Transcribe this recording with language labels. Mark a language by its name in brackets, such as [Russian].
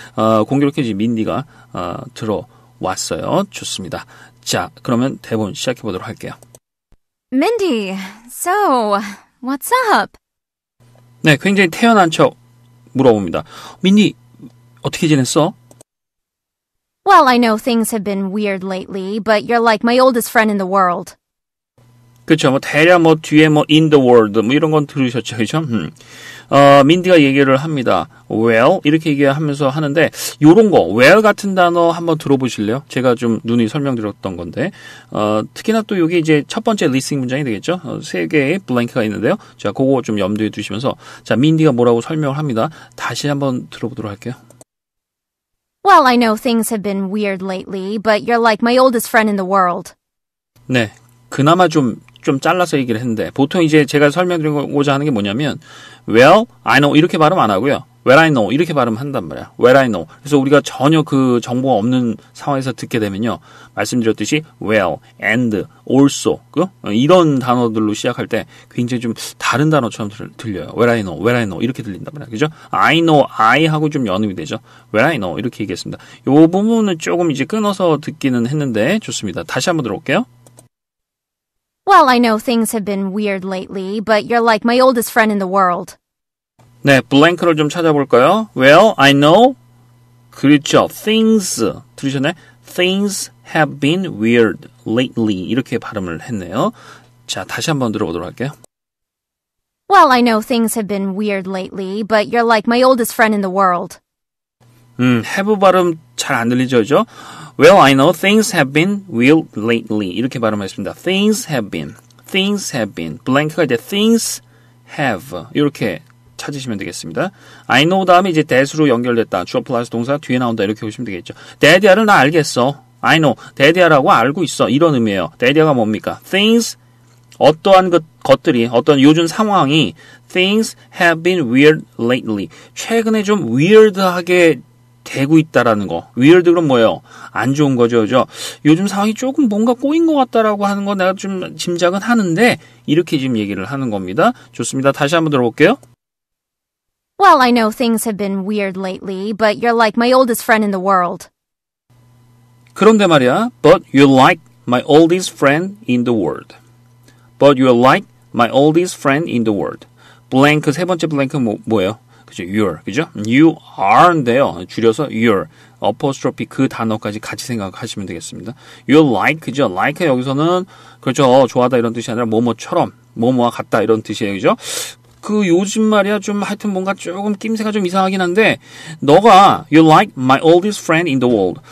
[Korean] 공교롭게 이제 민디가 들어왔어요. 좋습니다. 자, 그러면 대본 시작해 보도록 할게요. [English] Mindy, so what's up? [Korean] 네, 굉장히 태연한 척 물어봅니다. 민디, 어떻게 지냈어? [English] Well, I know things have been weird lately, but you're like my oldest friend in the world. [Korean] 그렇죠. 뭐 대략 뭐 뒤에 뭐 [English] in the world [Korean] 뭐 이런 건 들으셨죠, 그렇죠? 민디가 얘기를 합니다. Well 이렇게 얘기하면서 하는데 이런 거 well 같은 단어 한번 들어보실래요? 제가 좀 눈이 설명드렸던 건데 특히나 또 여기 이제 첫 번째 리스닝 문장이 되겠죠. 세 개의 블랭크가 있는데요. 자, 그거 좀 염두에 두시면서 자 민디가 뭐라고 설명을 합니다. 다시 한번 들어보도록 할게요. [English] Well, I know things have been weird lately, but you're like my oldest friend in the world. [Korean] 네, 그나마 좀 잘라서 얘기를 했는데 보통 이제 제가 설명드리고자 하는 게 뭐냐면 [English] well I know [Korean] 이렇게 발음 안 하고요 well I know 이렇게 발음한단 말이야 well I know 그래서 우리가 전혀 그 정보가 없는 상황에서 듣게 되면요 말씀드렸듯이 well and also 그 이런 단어들로 시작할 때 굉장히 좀 다른 단어처럼 들려요 [English] well I know [Korean] 이렇게 들린단 말이야 그죠 I know I 하고 좀 연음이 되죠 well I know 이렇게 얘기했습니다 이 부분은 조금 이제 끊어서 듣기는 했는데 좋습니다 다시 한번 들어볼게요. [English] Well, I know things have been weird lately, but you're like my oldest friend in the world. [Korean] 네, 블랭크를 좀 찾아볼까요? [English] Well, I know. [Korean] 그렇죠. [English] Things. [Korean] 들으셨나요? [English] Things have been weird lately. [Korean] 이렇게 발음을 했네요. 자, 다시 한번 들어보도록 할게요. [English] Well, I know things have been weird lately, but you're like my oldest friend in the world. [Korean] have 발음 잘 안 들리죠, 그죠? [English] Well, I know things have been weird lately. [Korean] 이렇게 발음했습니다. [English] Things have been. [Korean] 블랭크가 이제 [English] things have. [Korean] 이렇게 찾으시면 되겠습니다. I know 다음에 이제 that으로 연결됐다. 주어 플러스 동사 뒤에 나온다. 이렇게 보시면 되겠죠. Daddy야를 나 알겠어. [English] I know. [Korean] Daddy야라고 알고 있어. 이런 의미예요. Daddy야가 뭡니까? [English] Things, [Korean] 어떠한 것들이, 어떤 요즘 상황이 [English] things have been weird lately. [Korean] 최근에 좀 weird하게 되고 있다라는 거. weird 그럼 뭐예요? 안 좋은 거죠. 그죠? 요즘 상황이 조금 뭔가 꼬인 것 같다라고 하는 거 내가 좀 짐작은 하는데 이렇게 지금 얘기를 하는 겁니다. 좋습니다. 다시 한번 들어볼게요. [English] Well, I know things have been weird lately, but you're like my oldest friend in the world. [Korean] 그런데 말이야. [English] But you're like my oldest friend in the world. But you're like my oldest friend in the world. [Korean] 블랭크 세 번째 블랭크 뭐예요? 그죠? You're 그죠? You are인데요. 줄여서 you're apostrophe 그 단어까지 같이 생각하시면 되겠습니다. [English] You're like [Korean] 그죠? Like 여기서는 그렇죠. 좋아하다 이런 뜻이 아니라 뭐뭐처럼 뭐뭐와 같다 이런 뜻이에요. 그죠? 그 요즘 말이야 좀 하여튼 뭔가 조금 낌새가 좀 이상하긴 한데 너가 [English] You're like my oldest friend in the world.